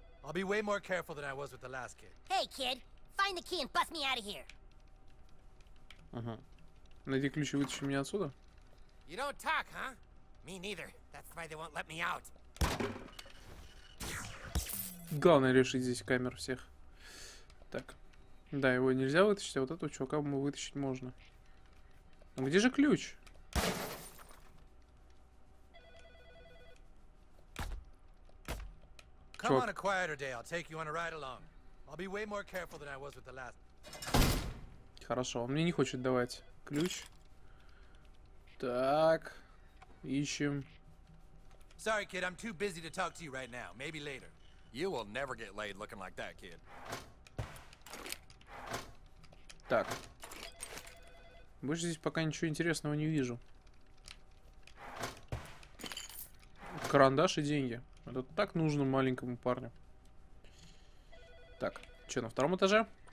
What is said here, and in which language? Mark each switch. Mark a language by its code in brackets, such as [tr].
[en] I'll be way more careful than I was with the last kid. Hey, kid, find the key and bust me out of here. [ru] Ага. Найди ключ и вытащи меня отсюда. [en] You don't talk, huh? Me neither. That's why they won't let me out. [ru] Главное решить здесь камер всех. Так. Да, его нельзя вытащить, а вот этого чувака мы вытащить можно. Но где же ключ? [en] Come on a quieter day, I'll take you on a ride along. I'll be way more careful than I was with the last. [ru] Хорошо, он мне не хочет давать ключ. Так, ищем. [en] Sorry, kid, I'm too busy to talk to you right now. Maybe later. You will never get laid looking like that, kid. [ru] Так. Больше здесь пока ничего интересного не вижу. Карандаш и деньги. Это так нужно маленькому парню. Так, что на втором этаже?